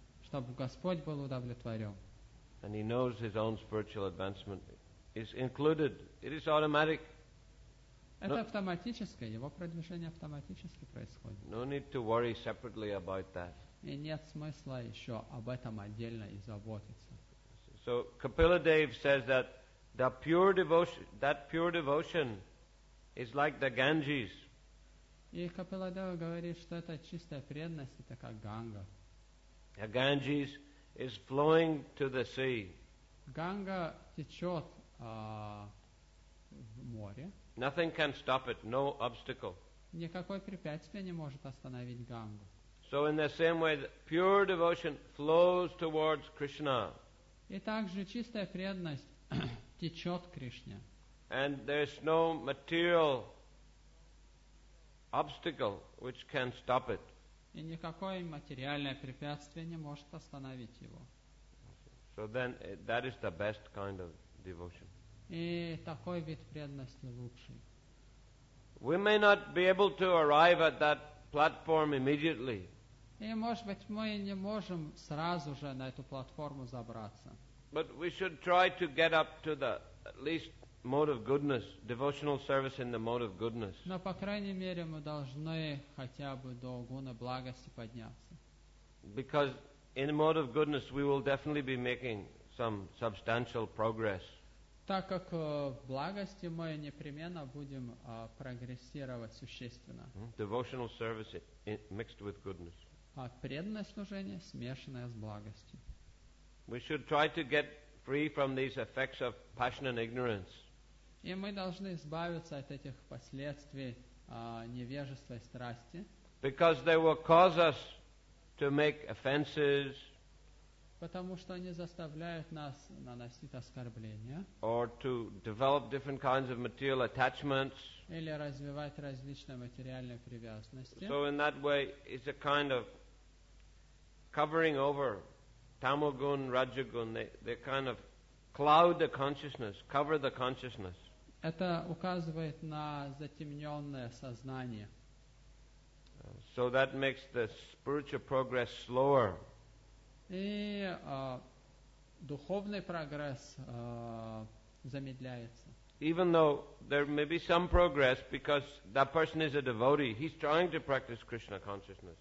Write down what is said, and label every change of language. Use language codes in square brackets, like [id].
[ru] Чтобы Господь был удовлетворен. [en] And he knows his own spiritual advancement is included. It is automatic. [ru] Это автоматическое. Его продвижение автоматически происходит. [en] No need to worry separately about that. [ru] И нет смысла еще об этом отдельно и заботиться. [en] So Kapiladev says that that pure devotion is like the Ganges. [ru] И Капиладева говорит, что это чистая преданность, это как Ганга. [en] The Ganges is flowing to the sea. [ru] Ганга течет в море. [en] Nothing can stop it, no obstacle. [ru] Никакое препятствие не может остановить Гангу. [en] So in the same way, the pure devotion flows towards Krishna. [ru] И также чистая преданность течет к Кришне. [en] And there is no material obstacle which can stop it. [ru] И никакое материальное препятствие не может остановить его. [en] So then, that is the best kind of devotion. [ru] И такой вид преданности лучший. [en] We may not be able to arrive at that platform immediately. [ru] И может быть мы не можем сразу же на эту платформу забраться. [en] But we should try to get up to the at least mode of goodness, devotional service in the mode of goodness. [ru] Но по крайней мере мы должны хотя бы до гуны благости подняться. [en] Because in the mode of goodness we will definitely be making some substantial progress. [ru] Так как в благости мы непременно будем прогрессировать существенно. [en] Devotional service mixed with goodness. [ru] А преданное служение смешанное с благостью. [en] We should try to get free from these effects of passion and ignorance. [ru] И мы должны избавиться от этих последствий невежества и страсти. [en] Because they will cause us to make offenses, [ru] потому что они заставляют нас наносить оскорбления, [en] or to develop different kinds of material attachments, [ru] или развивать различные материальные привязанности. [en] So in that way, it's a kind of covering over tamogun, rajogun. They kind of cloud the consciousness, cover the consciousness. [ru] Это указывает на затемненное сознание. [en] So that makes the spiritual progress slower. [ru] И духовный прогресс замедляется. [en] Even though there may be some progress because that person is a devotee, he's trying to practice Krishna consciousness.